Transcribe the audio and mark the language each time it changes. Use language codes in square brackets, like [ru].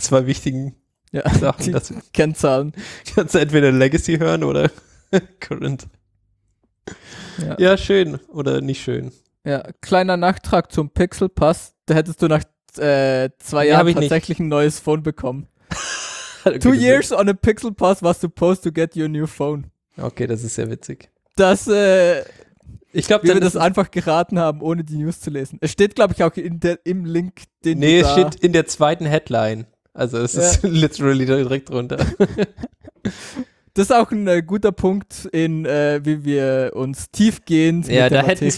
[de] Zwei wichtigen Sachen. Die Kennzahlen. Kannst du entweder Legacy hören oder Current. Ja, schön oder nicht schön. Ja, kleiner Nachtrag zum Pixel Pass. Da hättest du nach 2 Jahren tatsächlich ein neues Phone bekommen. [en] 2 years on a Pixel Pass was supposed to get your new phone. [de] Okay, das ist sehr witzig. Ich glaube, wir das einfach geraten haben, ohne die News zu lesen. Es steht, glaube ich, auch im Link, den du da... Nee, es steht in der 2. Headline. Also es ist literally direkt drunter. Das ist auch ein guter Punkt, wie wir uns tiefgehend mit der Materie